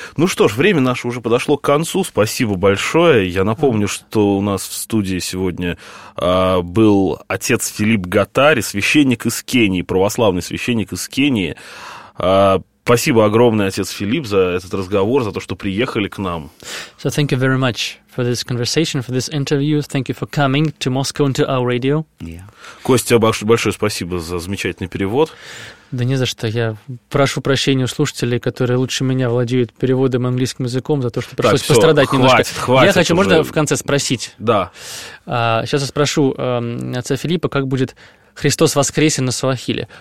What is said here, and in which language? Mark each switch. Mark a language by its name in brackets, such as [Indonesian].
[Russian] Ну что ж, время наше уже подошло к концу. Спасибо большое. Я напомню, что у нас в студии сегодня был отец Филипп Гатари, священник из Кении, православный священник из Кении. Спасибо огромное, отец Филипп, за этот разговор, за то, что приехали к нам. [English] So thank you very much for this conversation, for this interview. Thank you for coming to Moscow and to our radio. Yeah. [Russian] Костя, большое спасибо за замечательный перевод. Да не за что. Я прошу прощения у слушателей, которые лучше меня владеют переводом английским языком, за то, что пришлось так, пострадать хватит, немножко. Хватит я хочу, уже. Можно в конце спросить? Да. Сейчас я спрошу отца Филиппа, как будет «Христос воскресе» на суахили.